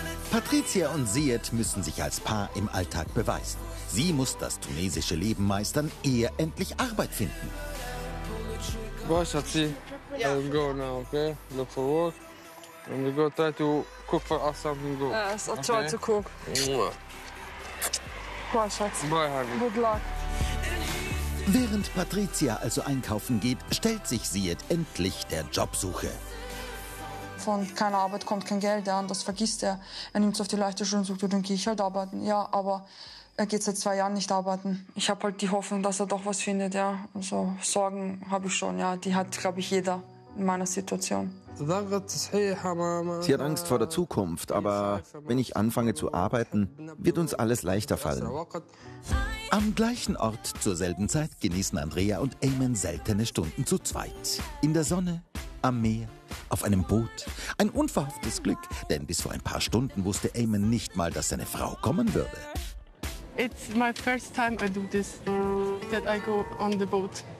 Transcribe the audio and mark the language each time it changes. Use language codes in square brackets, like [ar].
[de] Patricia und Siet müssen sich als Paar im Alltag beweisen. Sie muss das tunesische Leben meistern, ehe endlich Arbeit finden. Boah, Schatzi, ja. [en] I'm going now, okay? Look for work. I'm going to try to cook for us something good. Yes, I'll try to cook. [de] Boah, Schatz. [en] Bye, honey. Good luck. [de] Während Patricia also einkaufen geht, stellt sich Siet endlich der Jobsuche. Von keiner Arbeit kommt kein Geld, ja, und das vergisst er. Er nimmt es auf die leichte Schulter und sagt, dann gehe ich halt arbeiten. Ja, aber er geht seit 2 Jahren nicht arbeiten. Ich habe halt die Hoffnung, dass er doch was findet. Ja. Also Sorgen habe ich schon. Ja. Die hat, glaube ich, jeder in meiner Situation. Sie hat Angst vor der Zukunft, aber wenn ich anfange zu arbeiten, wird uns alles leichter fallen. Am gleichen Ort zur selben Zeit genießen Andrea und Eamon seltene Stunden zu zweit. In der Sonne, am Meer, auf einem Boot. Ein unverhofftes Glück, denn bis vor ein paar Stunden wusste Eamon nicht mal, dass seine Frau kommen würde. [en] It's my first time I do this, that I go on the boat.